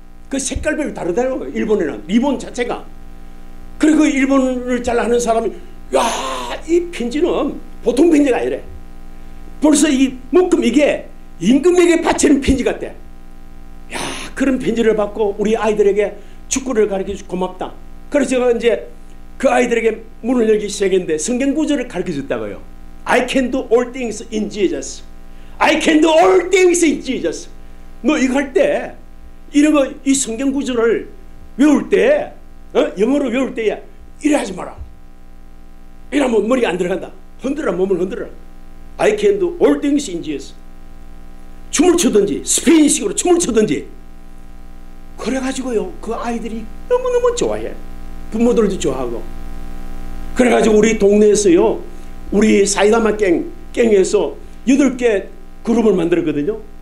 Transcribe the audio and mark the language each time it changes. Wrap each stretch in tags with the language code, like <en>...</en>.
<ko>그 색깔별 다르다는 거예요. 일본에는 리본 자체가. 그리고 일본을 잘 아는 사람이 야, 이 편지는 보통 편지가 아니래. 벌써 이 묶음 이게 임금에게 바치는 편지 같대. 야, 그런 편지를 받고 우리 아이들에게 축구를 가르쳐 주고 고맙다. 그래서 제가 이제 그 아이들에게 문을 열기 시작했는데 성경 구절을 가르쳐 줬다고요.</ko> <en>I can do all things in Jesus. I can do all things in Jesus.</en> <ko>너 이거 할 때 이런 거 이 성경 구절을 외울 때 영어로 외울 때야 이래 하지 마라. 이러면 머리 안 들어간다. 흔들어 몸을 흔들어.</ko> <en>I can do all things in Jesus.</en> <ko>춤을 추든지 스페인식으로 춤을 추든지. 그래가지고요 그 아이들이 너무너무 좋아해. 부모들도 좋아하고. 그래가지고 우리 동네에서요 우리 사이다마 갱에서 8개 그룹을 만들었거든요.</ko>